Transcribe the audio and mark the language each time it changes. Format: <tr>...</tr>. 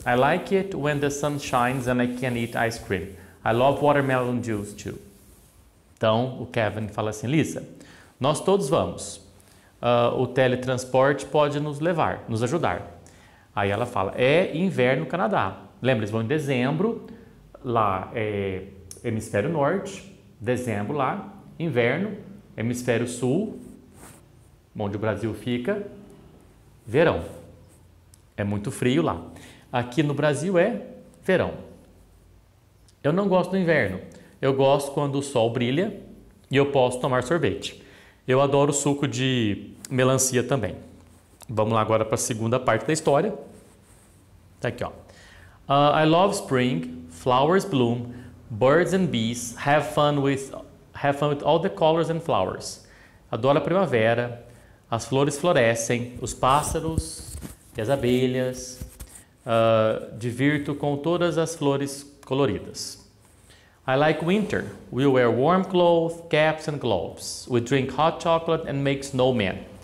<en>I like it when the sun shines and I can eat ice cream. I love watermelon juice too.</en> <pt>Então, o Kevin fala assim, Lisa, nós todos vamos. O teletransporte pode nos levar, nos ajudar. Aí ela fala, é inverno no Canadá. Lembra, eles vão em dezembro, lá é hemisfério norte, dezembro lá. Inverno, hemisfério sul, onde o Brasil fica, verão. É muito frio lá. Aqui no Brasil é verão. Eu não gosto do inverno. Eu gosto quando o sol brilha e eu posso tomar sorvete. Eu adoro suco de melancia também. Vamos lá agora para a segunda parte da história. Tá aqui, ó.</pt> <en>I love spring, flowers bloom, birds and bees have fun with all the colors and flowers.</en> <pt>Adoro a primavera, as flores florescem, os pássaros e as abelhas. Divirto com todas as flores coloridas.</pt> <en>I like winter. We wear warm clothes, caps and gloves. We drink hot chocolate and make snowmen.</en>